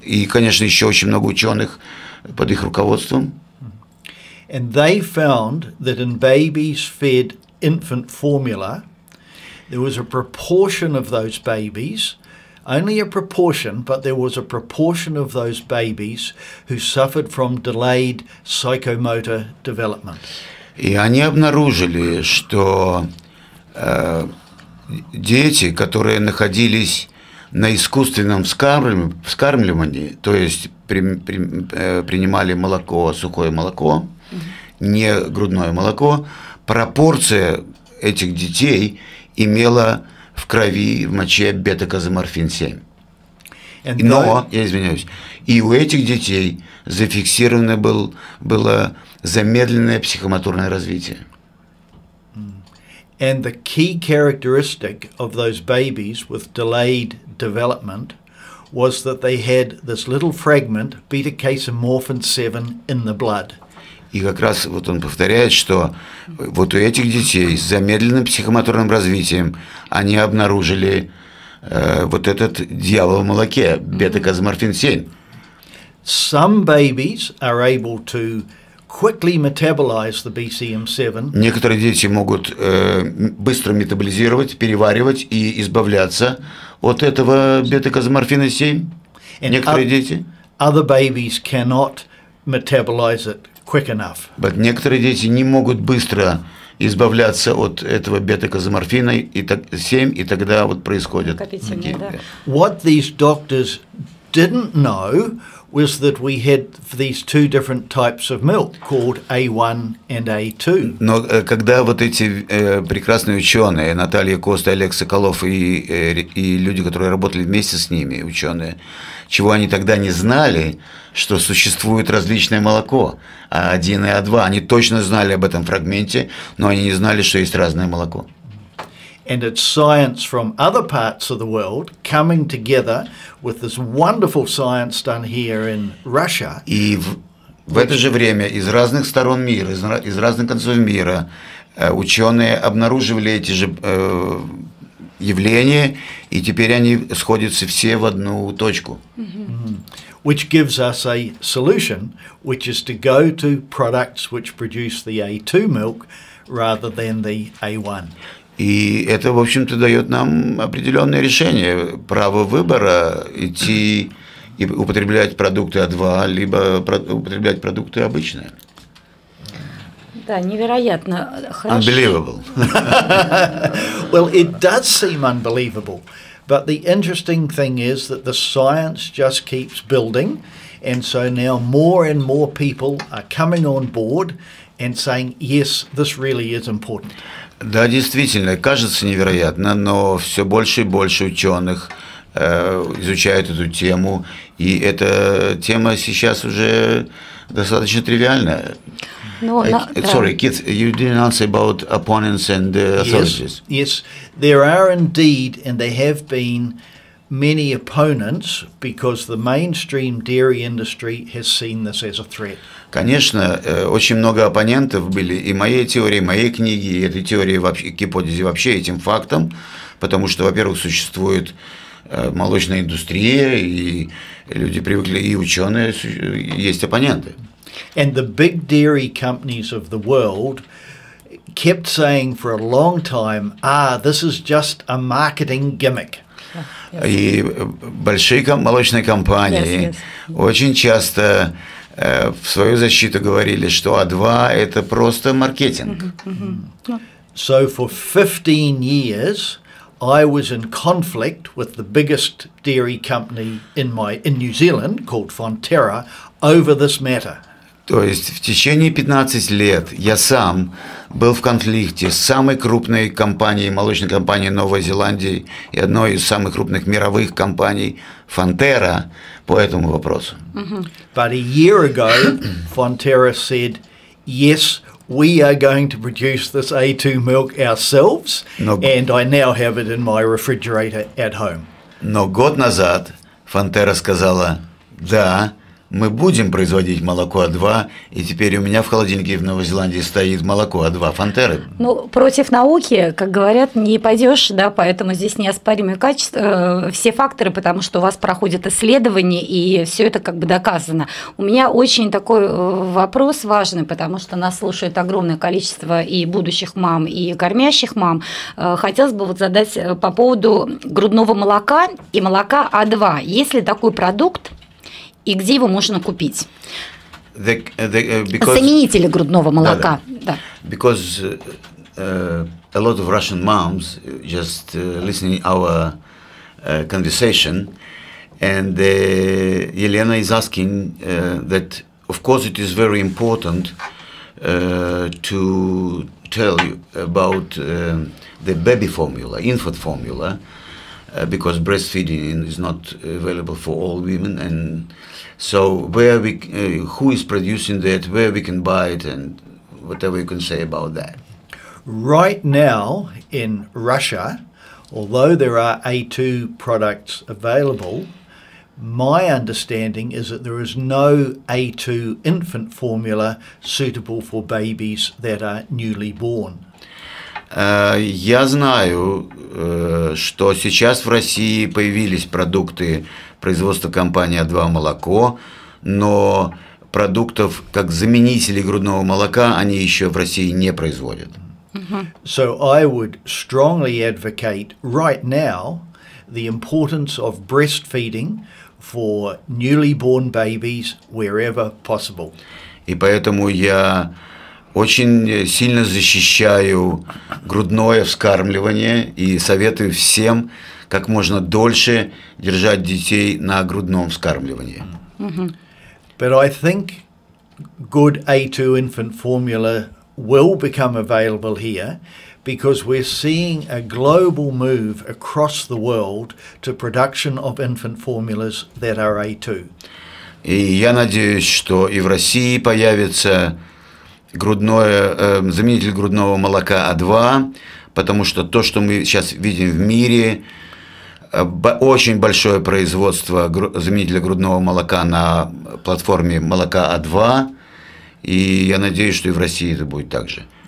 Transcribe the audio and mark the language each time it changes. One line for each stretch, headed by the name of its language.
Russian: И, конечно, еще очень много ученых под их руководством.
English: And they found that in babies fed infant formula, there was a proportion of those babies, only a proportion, but there was a proportion of those babies who suffered from delayed psychomotor development.
Russian: И они обнаружили, что дети, которые находились на искусственном вскармливании, то есть принимали молоко, сухое молоко, не грудное молоко, пропорция этих детей имела в крови, в моче бета-каземорфин 7. Но, я извиняюсь, и у этих детей зафиксировано было замедленное психомоторное развитие.
English: And the key characteristic of those babies with delayed development was that they had this little fragment, beta-casemorphin 7, in the blood.
Russian: И как раз вот он повторяет, что вот у этих детей с замедленным психомоторным развитием они обнаружили вот этот дьявол в молоке, бета-каземорфин 7.
English: Some babies are able to quickly metabolize the BCM7.
Russian: Некоторые дети могут быстро метаболизировать, переваривать и избавляться от этого бета-каземорфина 7. Некоторые дети.
English: Other babies cannot metabolize it quick enough.
Russian: But некоторые дети не могут быстро избавляться от этого бета-каземорфина 7, и тогда вот происходит.
English: What these doctors didn't know was that we had these two different types of milk called A1 and A2.
Russian: Но когда вот эти прекрасные ученые, Наталья Коста, Олег Соколов и люди, которые работали вместе с ними, ученые, чего они тогда не знали, что существует различное молоко, А1 и А2. Они точно знали об этом фрагменте, но они не знали, что есть разное молоко.
English: And it's science from other parts of the world coming together with this wonderful science done here in Russia.
Russian: И в это же время из разных сторон мира, из разных концов мира, ученые обнаруживали эти же явления, и теперь они сходятся все в одну точку.
English: Which gives us a solution, which is to go to products which produce the A2 milk rather than the A1.
Russian: И это, в общем-то, дает нам определенное решение, право выбора идти и употреблять продукты А2, либо употреблять продукты обычные. Да, невероятно.
English: Unbelievable. Well, it does seem unbelievable. But the interesting thing is that the science just keeps building. And so now more and more people are coming on board and saying, yes, this really is important.
Russian: Да, действительно, кажется невероятно, но все больше и больше ученых изучают эту тему, и эта тема сейчас уже достаточно тривиальная.
English: Sorry, Keith, you didn't answer about opponents and the authorities. Yes, there are indeed, and there have been many opponents, because the mainstream dairy industry has seen this as a threat.
Russian: Конечно, очень много оппонентов были и моей теории, и моей книги, и этой теории, и гипотезе вообще этим фактом, потому что, во-первых, существует молочная индустрия, и люди привыкли, и ученые, есть оппоненты.
English: And the big dairy companies of the world kept saying for a long time, ah, this is just a marketing gimmick.
Russian: И большие молочные компании очень часто в свою защиту говорили, что А2 – это просто маркетинг.
English: So for 15 years I was in conflict with the biggest dairy company in New Zealand, called Fonterra, over this matter.
Russian: То есть в течение 15 лет я сам был в конфликте с самой крупной компанией, молочной компанией Новой Зеландии и одной из самых крупных мировых компаний Фонтера по этому вопросу.
English: But a year ago Fonterra said, yes, we are going to produce this A2 milk ourselves, and I now have it in my refrigerator at home.
Russian: Но год назад Фонтера сказала, да, мы будем производить молоко А2, и теперь у меня в холодильнике в Новой Зеландии стоит молоко А2 Фонтеры. Ну, против науки, как говорят, не пойдешь, да, поэтому здесь неоспоримые качества, все факторы, потому что у вас проходят исследования, и все это как бы доказано. У меня очень такой вопрос важный, потому что нас слушает огромное количество и будущих мам, и кормящих мам. Хотелось бы вот задать по поводу грудного молока и молока А2. Есть ли такой продукт? И где его можно купить? Заменители грудного молока.
English: Because a lot of Russian moms just listening our conversation, and Елена is asking that of course it is very important to tell you about the baby formula, infant formula, because breastfeeding is not available for all women. And so where we who is producing that, where we can buy it, and whatever you can say about that. Right now in Russia, although there are A2 products available, my understanding is that there is no A2 infant formula suitable for babies that are newly born.
Russian: Я знаю, что сейчас в России появились продукты производства компании А2 молоко, но продуктов как заменителей грудного молока они еще в России не производят.
English: So I would strongly advocate right now the importance of breastfeeding for newly born babies wherever possible.
Russian: И поэтому я очень сильно защищаю грудное вскармливание и советую всем как можно дольше держать детей на грудном вскармливании.
English: But I think good A2 infant formula will become available here, because we're seeing a global move across the world to production of infant formulas that are A2.
Russian: И я надеюсь, что и в России появится грудное, заменитель грудного молока А2, потому что то, что мы сейчас видим в мире, очень большое производство заменителя грудного молока на платформе молока А2, и я надеюсь, что и в России это будет так же.